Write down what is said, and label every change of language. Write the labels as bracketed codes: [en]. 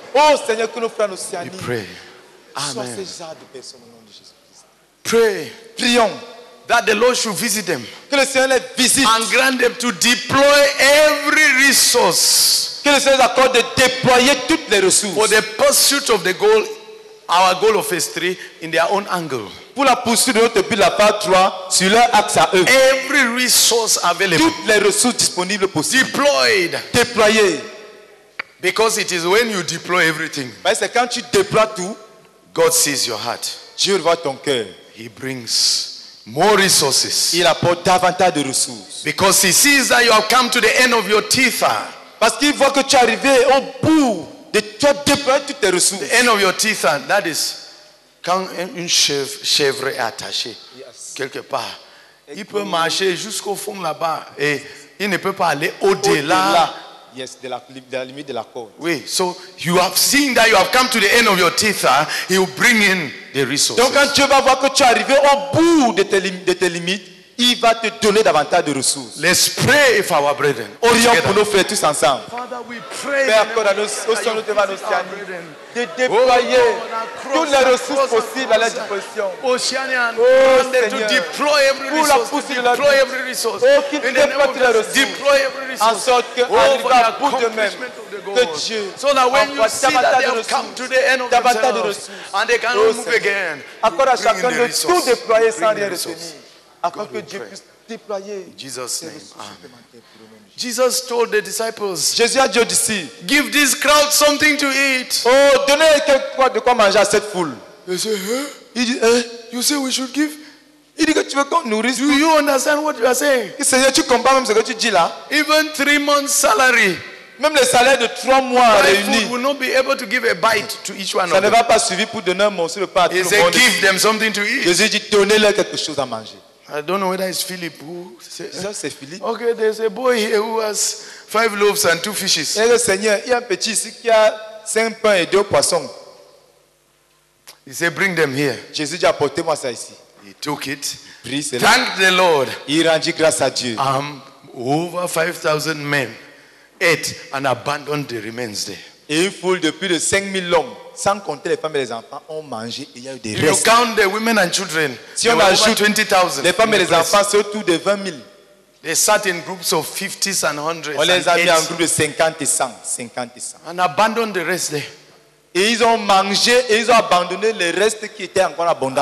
[fr] Oh Seigneur, que nos frères en Océanie soient ces genres de personnes au nom de Jésus-Christ. Prions. [en] That the Lord should visit them. [fr] Que le Seigneur les visite. [en] And grant them to deploy every resource. [fr] Que le Seigneur accorde de déployer toutes les ressources. [en] For the pursuit of the goal, our goal of phase 3, in their own angle. [fr] Pour la poursuite de notre but, la phase 3, sur leur axe à eux. [en] Every resource available. [fr] Toutes les ressources disponibles possibles. [en] Deployed. [fr] Déployer. [en] Because it is when you deploy everything. [fr] Parce que quand tu déploies tout, [en] God sees your heart. [fr] Dieu voit ton cœur. [en] He brings more resources. [fr] Il apporte davantage de ressources. [en] Because he sees that you have come to the end of your tether. [fr] Parce qu'il voit que tu es arrivé au bout de toutes tes ressources. [en] The end of your tether, that is, [fr] quand une chèvre est attachée quelque part, il peut marcher jusqu'au fond là-bas et il ne peut pas aller au-delà. Yes, de la limite de la corde. [en] Oui, so you have seen that you have come to the end of your tether, he will bring in the resources. [fr] Donc quand Dieu va voir que tu es arrivé au bout de tes limites, il va te donner davantage de ressources. [en] Let's pray for our brethren. [fr] Orions pour nos frères tous ensemble. [en] Father, we pray. [fr] Père, accorde à nos frères de déployer toutes les ressources possibles à leur disposition. [en] Oceania, [fr] Seigneur, [en] to deploy every resource. [fr] Pour la poursuite, [en] deploy every resource. [fr] Oh, qu'ils déploient toutes les ressources. [en] Deploy every resource. [fr] En sorte que arrive à bout de même que Dieu. [en] So that when you see that they have come to the end of themselves, and they can move again, [fr] accorde à chacun de tout déployer sans rien retenir. Afin que Dieu puisse déployer [en] Jesus' name. Jesus told the disciples, [fr] Jésus a dit aux disciples, [en] give this crowd something to eat. [fr] Oh, donnez quelque de quoi manger à cette foule. [en] They say, [fr] il dit, eh? [en] You say we should give. [fr] Il dit que tu veux qu'on nourrisse. [en] Do you understand what you are saying? [fr] Seigneur, tu comprends même ce que tu dis là? [en] Even 3 months' salary. [fr] Même le salaire de 3 mois réuni. [en] Will not be able to give a bite to each one. [fr] Ça ne va pas suivre pour donner un morceau de pain à tout le monde. [en] He said, give them something to eat. [fr] Jésus dit, donnez-leur quelque chose à manger. [en] I don't know whether it's Philip who. [fr] Ça c'est Philippe. [en] Okay, there's a boy here who has 5 loaves and 2 fishes. [fr] Et le Seigneur, il y a un petit ici qui a 5 pains et 2 poissons. [en] He said, bring them here. [fr] Jésus dit, apportez-moi ça ici. [en] He took it. [fr] Pris, [en] thank the Lord. [fr] Il rendit grâce à Dieu. [en] Over 5,000 men ate and abandoned the remains there. [fr] Une foule de plus de 5,000 hommes, sans compter les femmes et les enfants, ont mangé et il y a eu des restes. [en] You count the women and children. [fr] Si on ajoute 20,000, les femmes et les enfants, c'est autour de 20,000. [en] They sat in groups of 50s and 100s. [fr] On les a mis en groupe de 50 et 100. [en] And abandoned the rest there. [fr] Et ils ont mangé et ils ont abandonné les restes qui étaient encore abondants.